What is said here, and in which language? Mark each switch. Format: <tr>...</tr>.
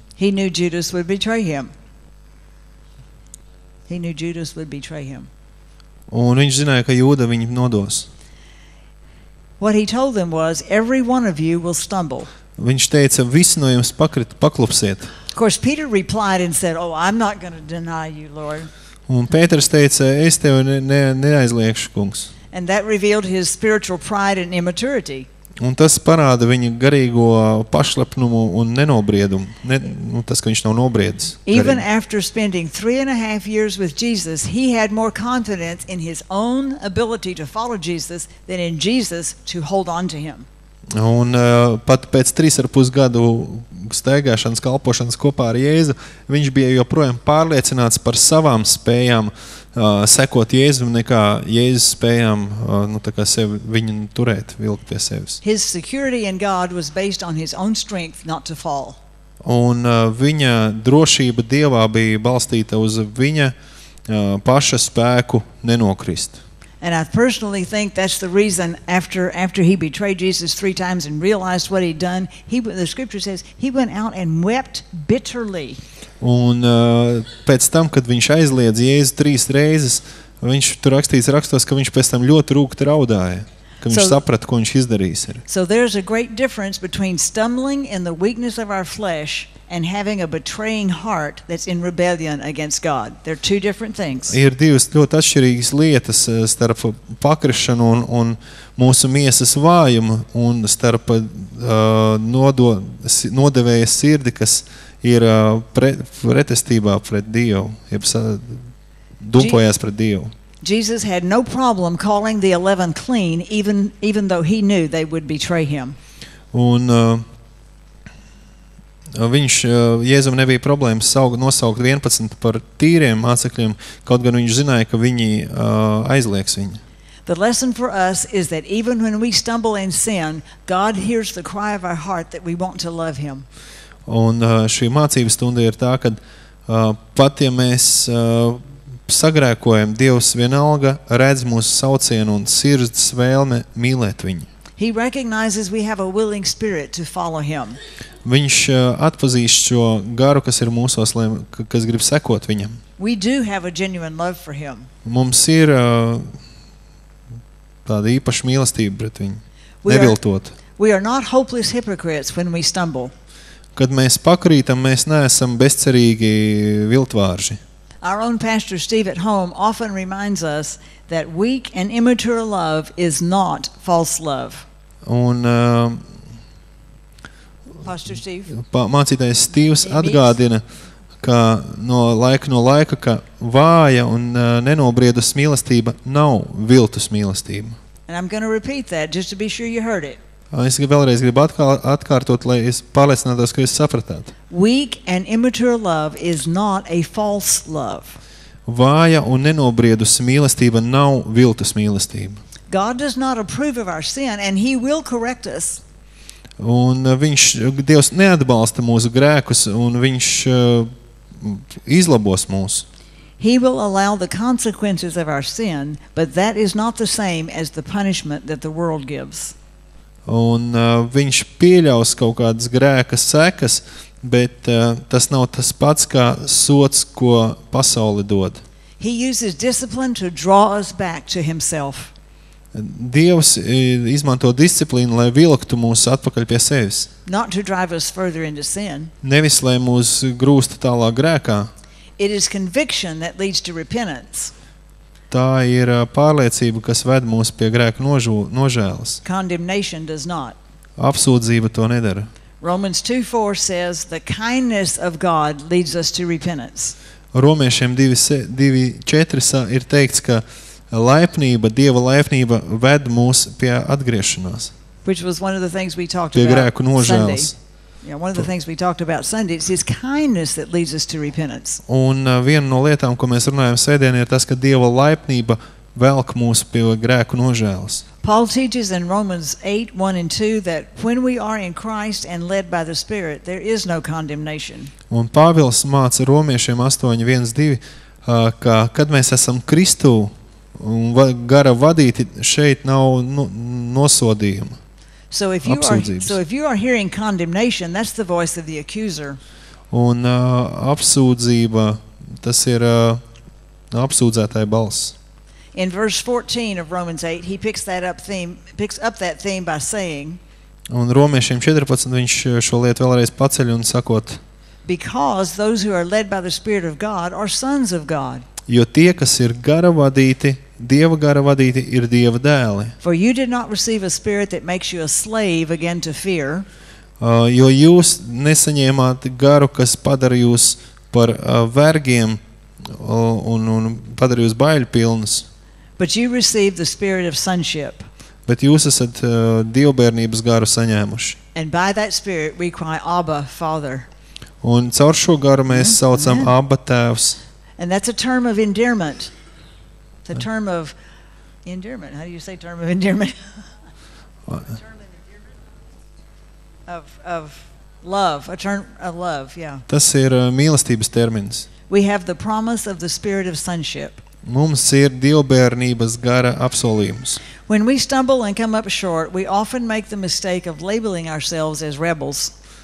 <en>He knew Judas would betray him. He knew Judas would betray him.</en> <lv>Un viņš zināja, ka Jūda viņu nodos.</lv> <en>What he told them was, every one of you will stumble.</en> <lv>Viņš teica, visi no jums pakrit, paklupsiet.</lv> <en>Of course, Peter replied and said, "Oh, I'm not going to deny you, Lord."</en> <lv>Un Pēters teica, es tevi neaizliekšu, kungs.</lv> <en>And that revealed his spiritual pride and immaturity.</en> <lv>Un tas parāda viņa garīgo pašlepnumu un nenobriedumu, tas, ka viņš nav nobriedis.</lv> <en>Even after spending 3.5 years with Jesus, he had more confidence in his own ability to follow Jesus than in Jesus to hold on to him.</en> <lv>Un pat pēc 3.5 gadu staigāšanas, kalpošanas kopā ar Jēzu, viņš bija joprojām pārliecināts par savām spējām sekot Jēzum, nekā Jēzus spējām tā kā sevi, viņu turēt, vilkt pie sevis.</lv> <en>His security in God was based on his own strength not to fall.</en> <lv>Un viņa drošība Dievā bija balstīta uz viņa paša spēku nenokrist.</lv> <en>And I personally think that's the reason after he betrayed Jesus 3 times and realized what he'd done, the scripture says he went out and wept bitterly.</en> <lv>Un pēc tam, kad viņš aizliedz Jēzu 3 reizes, viņš tur rakstīts rakstos, ka viņš pēc tam ļoti rūgti raudāja, ka viņš saprata, ko viņš izdarījis ir.</lv> <en>So there's a great difference between stumbling in the weakness of our flesh and having a betraying heart that's in rebellion against God. They're two different things.</en> <lv>Ir divas ļoti atšķirīgas lietas starp pakrišanu un mūsu miesas vājumu un starp nodevēja sirdi, kas ir pretestībā pret Dievu, jeb dupojās pret Dievu.</lv> <en>Jesus had no problem calling the 11 clean even though he knew they would betray him.</en> <lv>Un viņš Jēzum nebija problēmas nosaukt 11 par tīriem mācekļiem, kaut gan viņš zināja, ka viņi aizlieks viņu.</lv> <en>The lesson for us is that even when we stumble in sin, God hears the cry of our heart that we want to love him.</en> <lv>Un šī mācības stunda ir tā, kad pat ja mēs sagrēkojam, Dievs vienalga redz mūsu saucienu un sirds vēlme mīlēt viņu.</lv> <en>He recognizes we have a willing spirit to follow him.</en> <lv>Viņš atpazīst šo garu, kas ir mūsos, kas grib sekot viņam.</lv> <en>We do have a genuine love for him.</en> <lv>Mums ir tāda īpaša mīlestība pret viņu, neviltot.</lv> <en>We are not hopeless hypocrites when we stumble.</en> <lv>Kad mēs pakrītam, mēs neesam bezcerīgi viltvārži.</lv> <en>Our own pastor Steve at home often reminds us that weak and immature love is not false love.</en> <lv>Un</lv> <en>Pastor Steve.</en> <lv>Mācītājs Stīvs atgādina, ka no laika, ka vāja un nenobriedus mīlestība nav viltus mīlestība.</lv> <en>And I'm going to repeat that just to be sure you heard it.</en> <lv>Es vēlreiz gribu atkārtot, lai es pārliecinātos, ka jūs sapratāt.</lv> <en>Weak and immature love is not a false love.</en> <lv>Vāja un nenobriedusi mīlestība nav viltus mīlestība.</lv> <en>God does not approve of our sin and he will correct us.</en> <lv>Un viņš, Dievs neatbalsta mūsu grēkus un viņš izlabos mūs.</lv> <en>He will allow the consequences of our sin, but that is not the same as the punishment that the world gives.</en> <lv>Un viņš pieļaus kaut kādas grēka sekas, bet tas nav tas pats, kā sots, ko pasauli dod.</lv> <en>He uses discipline to draw us back to himself.</en> <lv>Dievs izmanto disciplīnu, lai vilktu mūs atpakaļ pie sevis.</lv> <en>Not to drive us further into sin.</en> <lv>Nevis, lai mūs grūstu tālāk grēkā.</lv> <en>It is conviction that leads to repentance.</en> <lv>Tā ir pārliecība, kas ved mūs pie grēka nožēles.</lv> <en>Condemnation does not.</en> <lv>Apsūdzība to nedara.</lv> <en>Romans 2:4 says the kindness of God leads us to repentance.</en> <lv>Romiešiem 2:4 ir teikts, ka laipnība, Dieva laipnība ved mūs pie atgriešanās.</lv> <en>Which was one of the things we talked about.</en> <lv>Pie grēku nožēles.</lv> <en>Yeah, one of the things we talked about Sunday is his kindness that leads us to repentance.</en> <lv>Un viena no lietām, ko mēs runājam sēdien, ir tas, ka Dieva laipnība velk mūs pie grēku nožēles.</lv> <en>Paul teaches in Romans 8:1-2 that when we are in Christ and led by the Spirit, there is no condemnation.</en> <lv>Un Pāvils māca Romiešiem 8:1-2, ka kad mēs esam Kristu un gara vadīti, šeit nav nosodījuma.</lv> <en>So if you are hearing condemnation, that's the voice of the accuser.</en> <lv>Un apsūdzība, tas ir apsūdzētāja balss.</lv> <en>In verse 14 of Romans 8, he picks up that theme by saying.</en> <lv>Un Romiešiem 14 viņš šo lietu vēlreiz paceļ un sakot.</lv> <en>Because those who are led by the Spirit of God are sons of God.</en> <lv>Jo tie, kas ir gara vadīti, Dieva gara vadīti, ir Dieva dēli.</lv> <en>For you did not receive a spirit that makes you a slave again to fear.</en> <lv>Jo jūs nesaņēmāt garu, kas padara jūs par vergiem un padara jūs baiļu pilnus.</lv> <en>But you received the spirit of sonship.</en> <lv>Bet jūs esat dievbērnības garu saņēmuši.</lv> <en>And by that spirit we cry Abba, Father.</en> <lv>Un caur šo garu mēs saucam Abba, Tēvs.</lv> <en>And that's a term of endearment. It's a term of endearment. How do you say term of endearment? Term of endearment? Of love, a term of love, yeah.</en> <lv>Tas ir mīlestības termins.</lv> <en>We have the promise of the spirit of sonship.</en> <lv>Mums ir dievbērnības gara apsolījums.</lv> <en>When we stumble and come up short, we often make the mistake of labeling ourselves as rebels.</en>